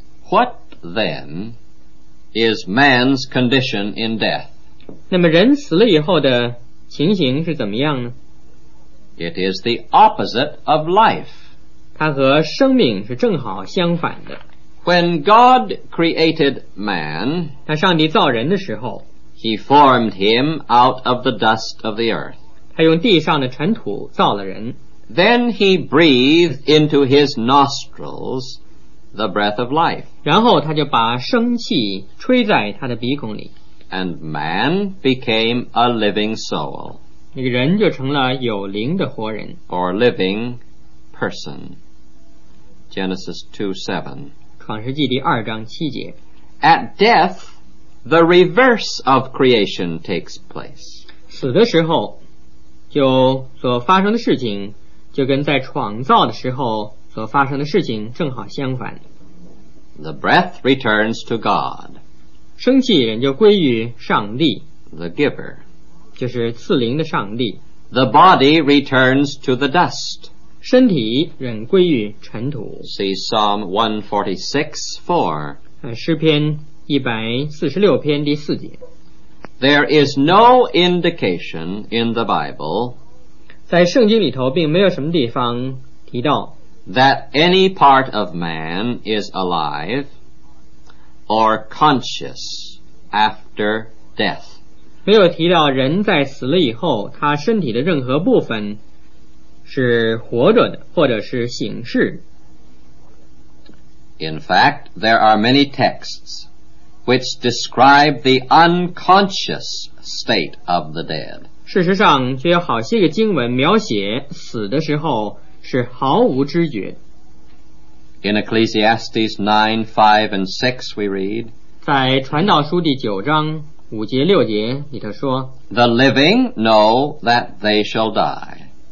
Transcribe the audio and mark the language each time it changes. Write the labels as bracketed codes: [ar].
[en] What then is man's condition in death? [zh] 那么人死了以后的情形是怎么样呢？ [en] It is the opposite of life. [zh] 它和生命是正好相反的。 [en] When God created man, [zh] 那上帝造人的时候， [en] He formed him out of the dust of the earth. [zh] 他用地上的尘土造了人。 [en] Then he breathed into his nostrils the breath of life. [zh] 然后他就把生气吹在他的鼻孔里。 [en] And man became a living soul. [zh] 那个人就成了有灵的活人。 [en] Or living person. Genesis 2:7. [zh] 创世纪第二章七节。 [en] At death, the reverse of creation takes place. [zh] 死的时候，就所发生的事情，就跟在创造的时候所发生的事情正好相反。 [en] The breath returns to God. [zh] 生气人就归于上帝 [en] The giver [zh] 就是赐灵的上帝 [en] The body returns to the dust [zh] 身体仍归于尘土 [en] See Psalm 146:4 [zh] 诗篇146篇第四节 [en] There is no indication in the Bible [zh] 在圣经里头并没有什么地方提到 [en] That any part of man is aliveOr conscious after death. [zh] 没有提到人在死了以后，他身体的任何部分是活着的，或者是醒视。 [en] In fact, there are many texts which describe the unconscious state of the dead. [zh] 事实上，却有好些个经文描写死的时候是毫无知觉的。 [en] In Ecclesiastes 9:5 and 6 we read [zh] 在传道书第九章五节六节里头说 [en] The living know that they shall die